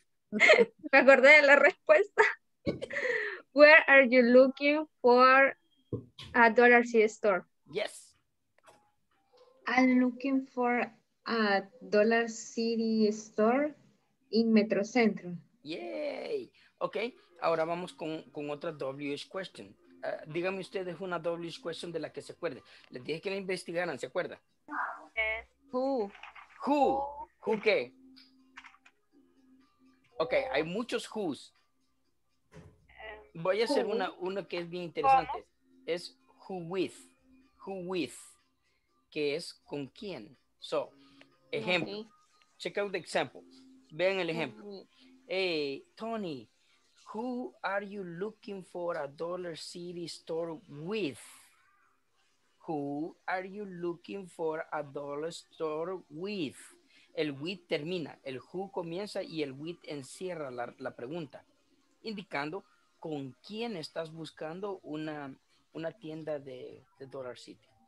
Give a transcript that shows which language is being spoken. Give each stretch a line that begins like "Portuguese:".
Spanish: Me acordé de la respuesta.
English: Where are you looking for a Dollar City store? Yes. I'm looking for a Dollar City store in Metro Centro.
Spanish: Yay. Ok. Ahora vamos con otra WH question. Dígame ustedes una WH question de la que se acuerde. Les dije que la investigaran, ¿se acuerda?
English: Who.
Spanish: Who qué? Ok, hay muchos who's. Voy a hacer una que es bien interesante. ¿Cómo? Es who with. Que es con quién.
English: So, ejemplo. Okay. Check out the example.
Spanish: Vean el ejemplo.
English: Hey, Tony, who are you looking for a Dollar City store with? Who are you looking for a Dollar Store with?
Spanish: El with termina. El who comienza y el with encierra la pregunta. Indicando con quién estás buscando una tienda de Dollar City.